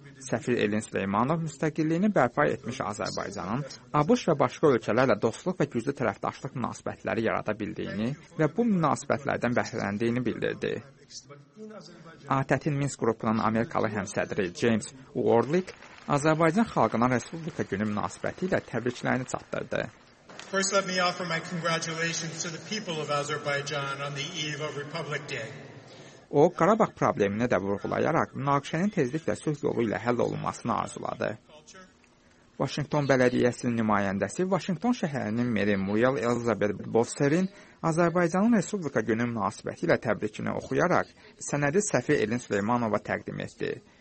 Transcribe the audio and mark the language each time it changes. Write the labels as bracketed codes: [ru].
[az] Səfir Elin Süleymanov müstəqilliyini bərpa etmiş Azərbaycanın ABŞ və başqa ölkələrlə dostluq və güclü tərəfdaşlıq münasibətləri yarada bildiyini və bu münasibətlərdən bəhrələndiyini bildirdi. ATƏT-in Minsk qrupunun Amerikalı həmsədri James Warlick Azərbaycan xalqına Respublika günü münasibəti ilə təbriklərini çatdırdı. [en] First, let me offer my congratulations to the people of Azerbaijan on the eve of Republic Day. [az] O, Qarabağ problemini də vurğulayaraq münaqişənin tezliklə sülh yolu ilə həll olunmasını arzuladı. Vaşinqton bələdiyyəsinin nümayəndəsi Vaşinqton şəhərinin meri Muriel Elizabeth Bosserin Azərbaycanın Respublika günü münasibəti ilə təbrikini oxuyaraq sənədi səfir Elin Süleymanova təqdim etdi.